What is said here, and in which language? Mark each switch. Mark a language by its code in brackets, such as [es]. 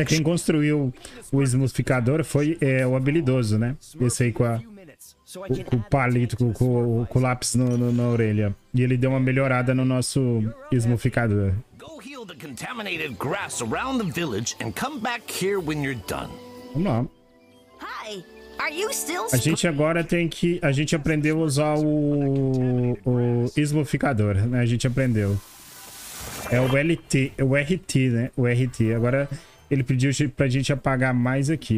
[pt] É, quem construiu o Smurfificador foi o habilidoso, né? Esse aí com o palito, com o lápis na orelha. E ele deu uma melhorada no nosso Smurfificador. [en] Go heal the contaminated grass around the village and come back here when you're done. [pt] Vamos lá. [en] Hi. Are you still... [pt] A gente agora tem que... A gente aprendeu a usar o Smurfificador, né? A gente aprendeu. É o LT, o RT, né? O RT. Agora ele pediu pra gente apagar mais aqui.